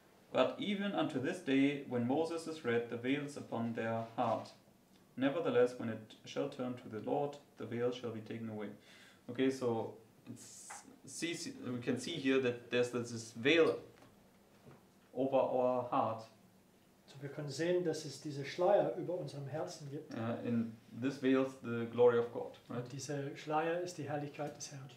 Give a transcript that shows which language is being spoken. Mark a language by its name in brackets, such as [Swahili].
[English] But even unto this day, when Moses is read, the veil is upon their heart. Nevertheless, when it shall turn to the Lord, the veil shall be taken away. Okay, so we can see here that there's this veil over our heart. [German] So wir können sehen, dass es diese Schleier über unserem Herzen gibt. [English] And this veils the glory of God, right? [German] Und diese Schleier ist die Herrlichkeit des Herrn.